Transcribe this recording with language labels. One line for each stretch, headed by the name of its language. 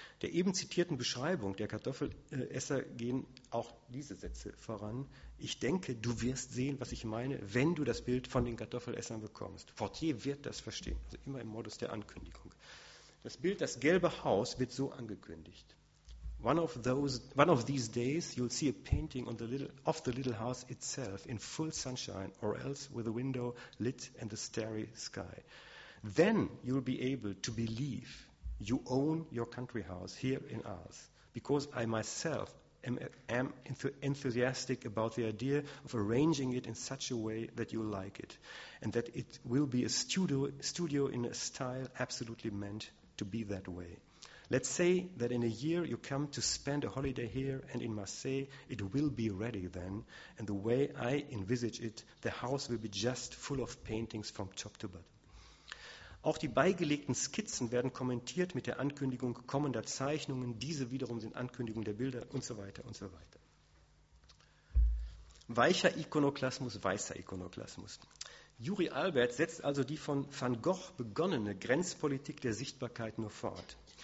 German: Der eben zitierten Beschreibung der Kartoffelesser gehen auch diese Sätze voran. Ich denke, du wirst sehen, was ich meine, wenn du das Bild von den Kartoffelessern bekommst. Fortier wird das verstehen, also immer im Modus der Ankündigung. Das Bild, das gelbe Haus, wird so angekündigt.
English: One of these days you'll see a painting of the little house itself in full sunshine or else with a window lit and the starry sky. Then you'll be able to believe you own your country house here in ours because I myself am enthusiastic about the idea of arranging it in such a way that you'll like it and that it will be a studio in a style absolutely meant to be that way. Let's say that in a year you come to spend a holiday here and in Marseille, it will be ready then. And the way I envisage it, the house will be just full of paintings from top to bottom.
German: Auch die beigelegten Skizzen werden kommentiert mit der Ankündigung kommender Zeichnungen. Diese wiederum sind Ankündigungen der Bilder und so weiter und so weiter. Weicher Ikonoklasmus, weißer Ikonoklasmus. Juri Albert setzt also die von Van Gogh begonnene Grenzpolitik der Sichtbarkeit nur fort.